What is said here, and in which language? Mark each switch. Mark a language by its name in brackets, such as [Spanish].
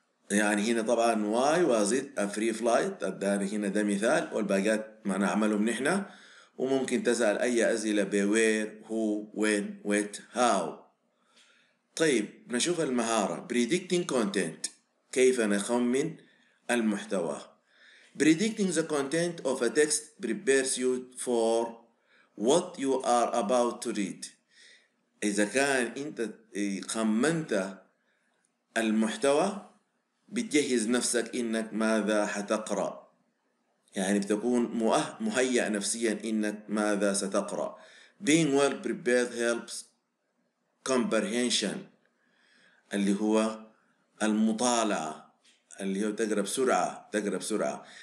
[Arabic] يعني هنا طبعا [English] why was it a free flight, [Arabic] أداني هنا ده مثال, والباقيات ما نعمله من إحنا. وممكن تسأل أي أسئلة ب [English] where, who, when, what, how. [Arabic] طيب نشوف المهارة [English] predicting content, [Arabic] كيف نخمن المحتوى. [English] predicting the content of a text prepares you for what you are about to read. [Arabic] إذا كان أنت خمنت المحتوى بتجهز نفسك إنك ماذا حتقرأ, يعني بتكون مهيئ نفسيا إنك ماذا ستقرأ. [English] being well prepared helps comprehension [Arabic] اللي هو المطالعة اللي هو تقرأ بسرعة.